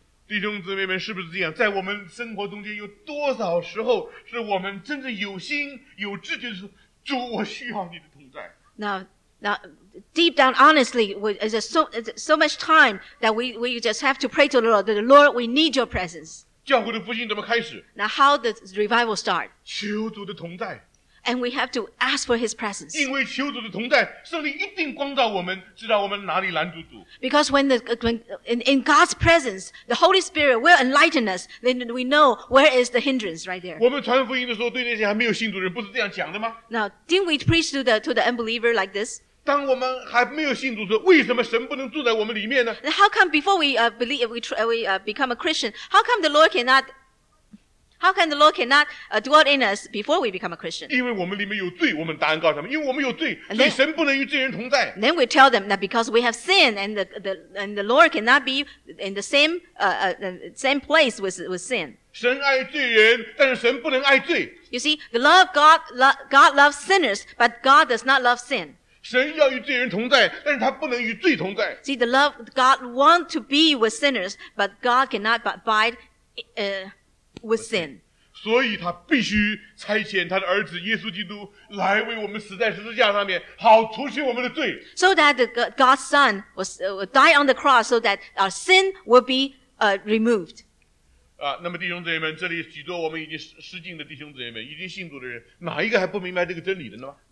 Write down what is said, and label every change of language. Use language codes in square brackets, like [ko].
[zh] 弟兄姊妹们，是不是这样？在我们生活中间，有多少时候是我们真正有心有志，就是主，我需要你的同在。 [en] Now, deep down, honestly, is so much time that we just have to pray to the Lord. The Lord, we need your presence. [zh] 教会的复兴怎么开始？ [en] Now, how does revival start? [zh] 求主的同在。 [en] And we have to ask for His presence. [zh] 因为求主的同在，圣灵一定光照我们，知道我们哪里拦阻主。 [en] Because when in God's presence, the Holy Spirit will enlighten us. Then we know where is the hindrance right there. [zh] 我们传福音的时候，对那些还没有信主的人，不是这样讲的吗？ [en] Now, didn't we preach to the unbeliever like this? [zh] 当我们还没有信主的时候，为什么神不能住在我们里面呢？ [en] And how come before we become a Christian, how come the Lord cannot? How can the Lord cannot dwell in us before we become a Christian? [zh] 因为我们里面有罪，我们答案告诉他们，因为我们有罪，所以神不能与罪人同在。 [en] Then we tell them that because we have sin and the Lord cannot be in the same place with sin. [zh] 神爱罪人，但是神不能爱罪。 [en] You see, the love God loves sinners, but God does not love sin. [zh] 神要与罪人同在，但是他不能与罪同在。 [en] See, the love God want to be with sinners, but God cannot abide with sin. [zh] 所以他必须差遣他的儿子耶稣基督来为我们死在十字架上面，好除去我们的罪。 [en] So that God's son would die on the cross so that our sin would be removed. [zh] 那么弟兄姊妹们，这里许多我们已经失敬的弟兄姊妹们，已经信主的人，哪一个还不明白这个真理的呢？